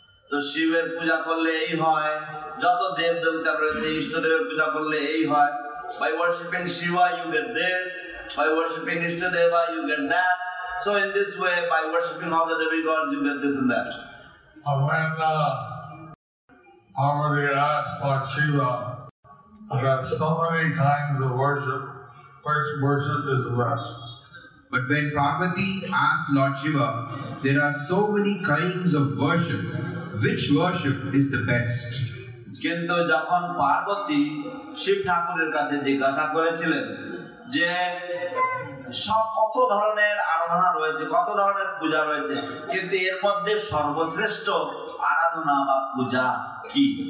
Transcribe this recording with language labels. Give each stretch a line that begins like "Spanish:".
Bangla: তো শিবের পূজা করলে এই হয়, যত দেব দেবতা রয়েছে ইষ্ট দেবের পূজা করলে এই হয়।
English: By worshipping Shiva you get this, by worshipping Ishta Deva you get that. So in this way, by worshipping all the demigods you get this and that. And when Parvati asked Lord Shiva that so many kinds of worship, which worship is best? But when Parvati asked Lord Shiva, there are so many kinds of worship, which worship is the best?
Bangla: কিন্তু যখন পার্বতী শিব ঠাকুরের কাছে জিজ্ঞাসা করেছিলেন যে সব কত ধরনের আরাধনা রয়েছে, কত ধরনের পূজা রয়েছে, কিন্তু এর মধ্যে সর্বশ্রেষ্ঠ আরাধনা বা পূজা কি?